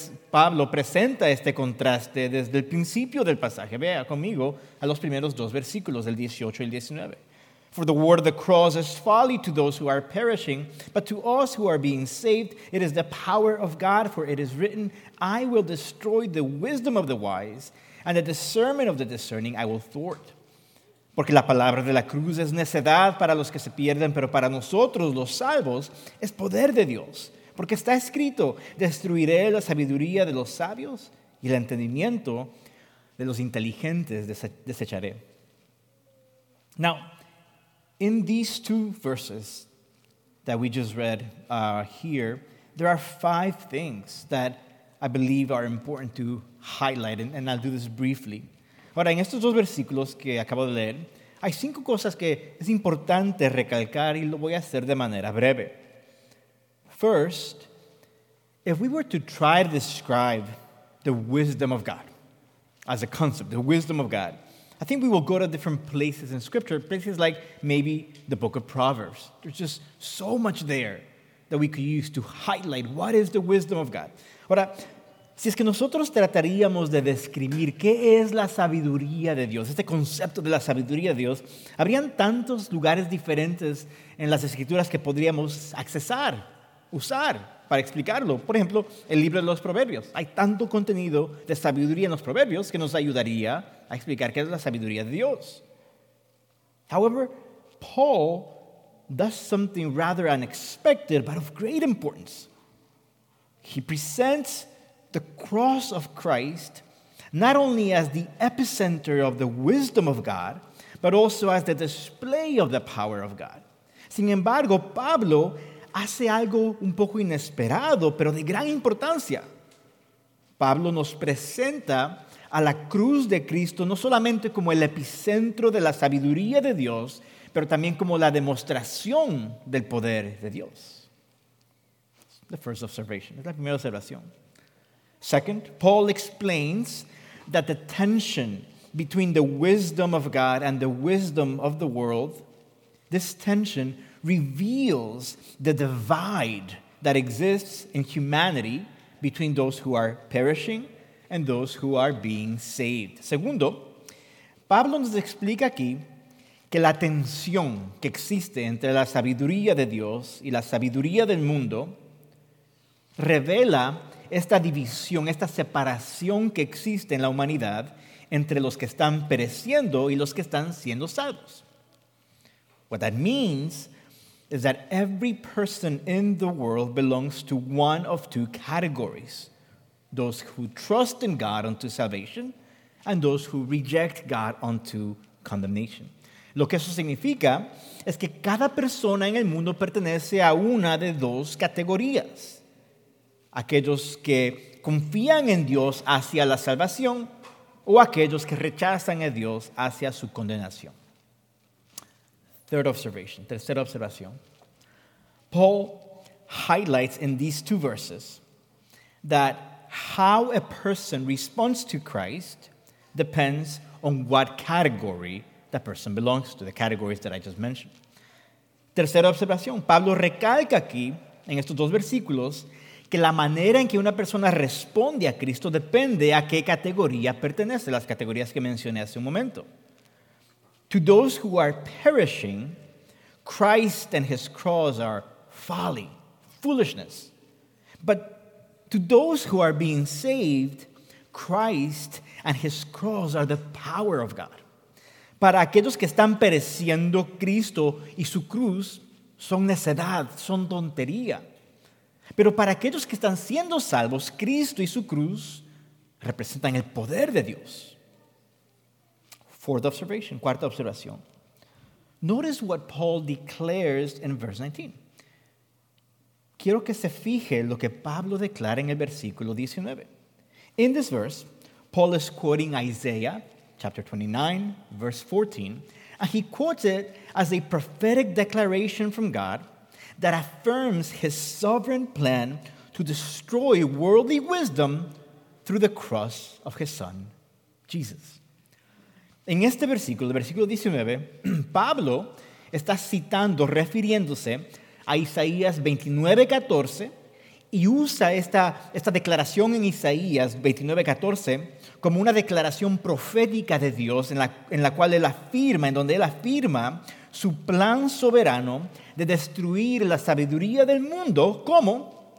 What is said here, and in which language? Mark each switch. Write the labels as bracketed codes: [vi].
[es] Pablo presenta este contraste desde el principio del pasaje. Vea conmigo a los primeros dos versículos, el 18 y el 19. [en] For the word of the cross is folly to those who are perishing, but to us who are being saved, it is the power of God, for it is written, I will destroy the wisdom of the wise, and the discernment of the discerning I will thwart. [es] Porque la palabra de la cruz es necedad para los que se pierden, pero para nosotros, los salvos, es poder de Dios. Porque está escrito, destruiré la sabiduría de los sabios, y el entendimiento de los inteligentes desecharé. [en] Now, in these two verses that we just read here, there are five things that I believe are important to highlight, and I'll do this briefly. [es] Ahora, en estos dos versículos que acabo de leer, hay cinco cosas que es importante recalcar y lo voy a hacer de manera breve. [en] First, if we were to try to describe the wisdom of God as a concept, the wisdom of God, I think we will go to different places in Scripture, places like maybe the book of Proverbs. There's just so much there that we could use to highlight what is the wisdom of God. [es] Ahora, si es que nosotros trataríamos de describir qué es la sabiduría de Dios, este concepto de la sabiduría de Dios, habrían tantos lugares diferentes en las Escrituras que podríamos accesar, usar para explicarlo. Por ejemplo, el libro de los Proverbios. Hay tanto contenido de sabiduría en los Proverbios que nos ayudaría a explicar qué es la sabiduría de Dios. [en] However, Paul does something rather unexpected, but of great importance. He presents the cross of Christ not only as the epicenter of the wisdom of God, but also as the display of the power of God. [es] Sin embargo, Pablo hace algo un poco inesperado, pero de gran importancia. Pablo nos presenta a la cruz de Cristo no solamente como el epicentro de la sabiduría de Dios, pero también como la demostración del poder de Dios. [en] The first observation. [es] Es la primera observación. [en] Second, Paul explains that the tension between the wisdom of God and the wisdom of the world, this tension reveals the divide that exists in humanity between those who are perishing and those who are being saved. [es] Segundo, Pablo nos explica aquí que la tensión que existe entre la sabiduría de Dios y la sabiduría del mundo revela esta división, esta separación que existe en la humanidad entre los que están pereciendo y los que están siendo salvos. [en] What that means is that every person in the world belongs to one of two categories: those who trust in God unto salvation and those who reject God unto condemnation. [es] Lo que eso significa es que cada persona en el mundo pertenece a una de dos categorías. Aquellos que confían en Dios hacia la salvación o aquellos que rechazan a Dios hacia su condenación. [en] Third observation, [es] tercera observación. [en] Paul highlights in these two verses that how a person responds to Christ depends on what category that person belongs to, the categories that I just mentioned. [es] Tercera observación, Pablo recalca aquí, en estos dos versículos, que la manera en que una persona responde a Cristo depende a qué categoría pertenece, las categorías que mencioné hace un momento. [en] To those who are perishing, Christ and his cross are folly, foolishness. But to those who are being saved, Christ and his cross are the power of God. [es] Para aquellos que están pereciendo, Cristo y su cruz son necedad, son tontería. Pero para aquellos que están siendo salvos, Cristo y su cruz representan el poder de Dios. [en] Fourth observation, [es] cuarta observación. [en] Notice what Paul declares in verse 19. [es] Quiero que se fije lo que Pablo declara en el versículo 19. [en] In this verse, Paul is quoting Isaiah chapter 29, verse 14, and he quotes it as a prophetic declaration from God that affirms his sovereign plan to destroy worldly wisdom through the cross of his son, Jesus. [es] En este versículo, el versículo 19, Pablo está citando, refiriéndose a Isaías 29, 14, y usa esta declaración en Isaías 29, 14 como una declaración profética de Dios en la cual él afirma su plan soberano de destruir la sabiduría del mundo, ¿cómo?